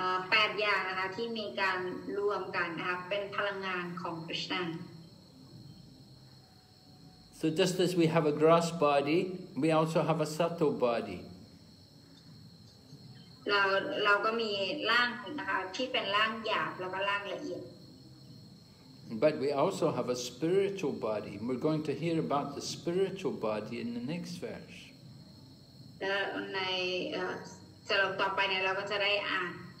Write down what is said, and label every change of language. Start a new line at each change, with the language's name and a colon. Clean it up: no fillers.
Thai: แปดอย่างนะคะที่มีการรวมกันนะคะเป็นพลังงานของกฤษณ
English: า So just as we have a gross body, we also have a subtle body.
Thai: เราก็มีร่างนะคะที่เป็นร่างหยาบแล้วก็ร่างละเอียด
English: But we also have a spiritual body. We're going to hear about the spiritual body in the next verse.
Thai: ในสรุปต่อไปเนี่ยเราก็จะได้อ่าน